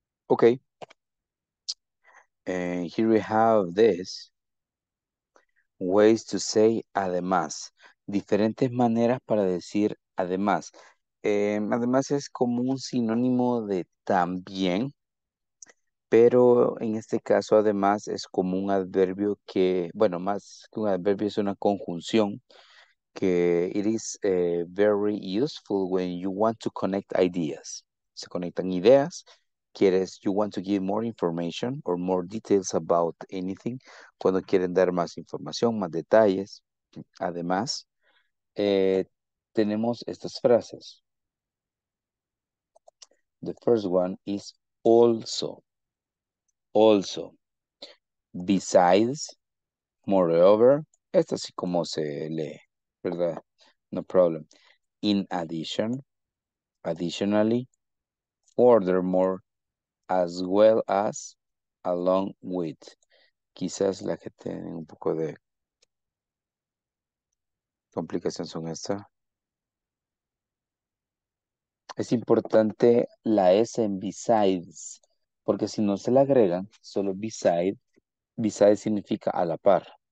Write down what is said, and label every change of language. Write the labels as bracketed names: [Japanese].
[English] Okay, and here we have this, ways to say además, [Spanish] diferentes maneras para decir además. Además es como un sinónimo de también, pero en este caso además es como un adverbio que, bueno, más que un adverbio es una conjunción que [English] it is very useful when you want to connect ideas. [Spanish] Se conectan ideas, quieres, [English] you want to give more information or more details about anything, [Spanish] cuando quieren dar más información, más detalles. Además, tenemos estas frases. [English] The first one is also. Also. Besides, moreover, [Spanish] esta así como se lee, ¿verdad? [English] No problem. In addition, additionally, furthermore, as well as, along with. [Spanish] Quizás la que tiene un poco de complicación son estas. Es importante la S en besides, porque si no se la agregan, solo beside, beside significa a la par.